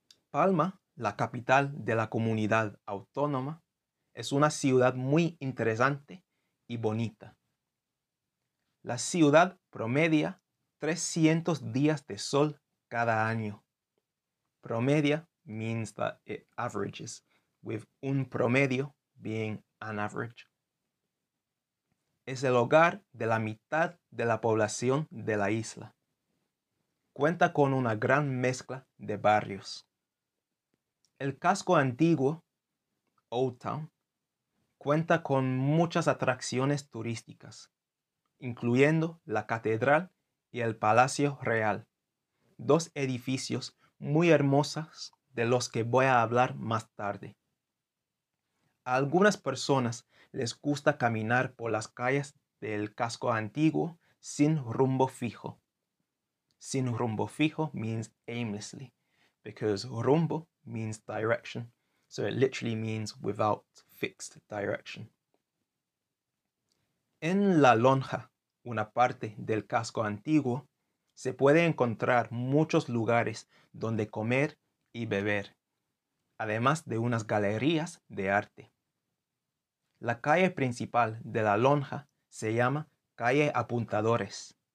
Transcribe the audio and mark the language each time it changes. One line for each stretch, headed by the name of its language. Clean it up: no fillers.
Spanish: Palma, la capital de la comunidad autónoma, es una ciudad muy interesante y bonita. La ciudad promedia 300 días de sol cada año.
English: Promedia means that it averages, with un promedio being an average.
Spanish: Es el hogar de la mitad de la población de la isla. Cuenta con una gran mezcla de barrios. El casco antiguo, Old Town, cuenta con muchas atracciones turísticas, incluyendo la catedral y el Palacio Real, dos edificios muy hermosos de los que voy a hablar más tarde. A algunas personas les gusta caminar por las calles del casco antiguo sin rumbo fijo. Sin rumbo fijo
English: means aimlessly, because rumbo means direction. So it literally means without fixed direction.
Spanish: En la lonja, una parte del casco antiguo, se puede encontrar muchos lugares donde comer y beber, además de unas galerías de arte. La calle principal de la lonja se llama Calle Apuntadores.